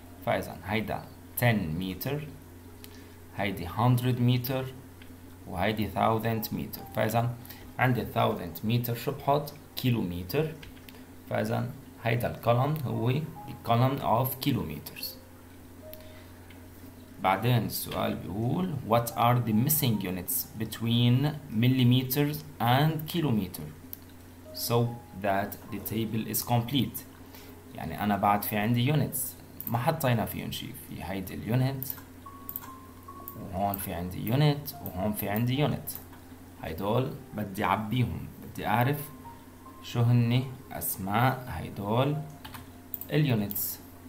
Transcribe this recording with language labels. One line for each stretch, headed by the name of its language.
Arabic: فاذا هيدا 10 متر، هيدي 100 متر، وهيدي 1000 متر. فإذا عندي 1000 متر شو بحط؟ كيلومتر. فإذا هيدا القلم هو القلم of kilometers. بعدين السؤال بيقول
English: what are the missing units between millimeters and kilometer so that the table is complete.
Arabic: يعني أنا بعد في عندي units ما حطينا فيهم شيء. في هيدا اليونت وهون في عندي يونت وهون في عندي يونت. هيدول بدي عبيهم، بدي أعرف شو هني أسماء هيدول اليونتس.